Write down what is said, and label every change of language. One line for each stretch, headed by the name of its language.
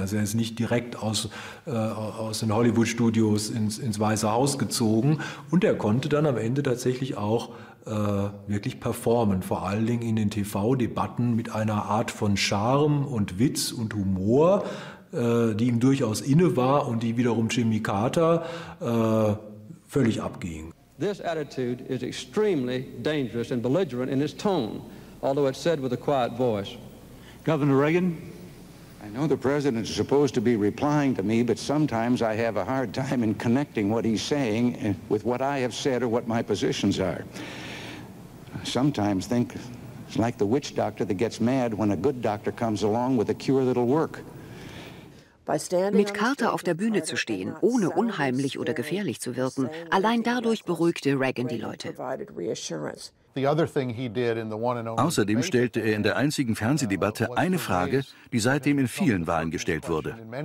German: Also er ist nicht direkt aus den Hollywood-Studios ins Weiße Haus gezogen und er konnte dann am Ende tatsächlich auch wirklich performen, vor allen Dingen in den TV-Debatten mit einer Art von Charme und Witz und Humor, die ihm durchaus inne war und die wiederum Jimmy Carter völlig abging.
English: This attitude is extremely dangerous and belligerent in its tone, although it's said with a quiet voice. Governor Reagan? I know the president is supposed to be replying to me, but sometimes I have a hard time in connecting what he's saying with what I have said or what my positions are. I sometimes think it's like the witch doctor that gets mad when a good doctor comes along with a cure that'll work.
German: Mit Carter auf der Bühne zu stehen, ohne unheimlich oder gefährlich zu wirken, allein dadurch beruhigte Reagan die Leute. Außerdem stellte er in der einzigen Fernsehdebatte eine Frage, die seitdem in vielen Wahlen gestellt wurde.